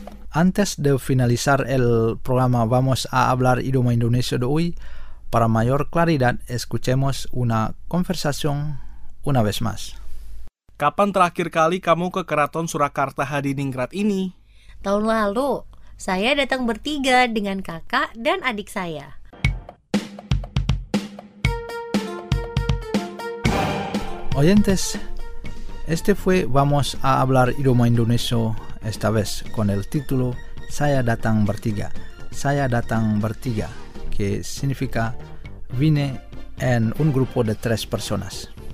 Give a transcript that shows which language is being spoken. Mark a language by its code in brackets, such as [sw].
[es] Antes de finalizar el programa vamos a hablar idioma indonesio de hoy. Para mayor claridad escuchemos una conversación una vez más. [id] Kapan terakhir kali kamu ke Keraton Surakarta Adiningrat ini? Tahun lalu, saya datang bertiga dengan kakak dan adik saya. [es] Oyentes, este fue Vamos a hablar idioma indonesio esta vez con el título [id] Saya datang bertiga. Saya datang bertiga, [es] que significa vine en un grupo de tres personas.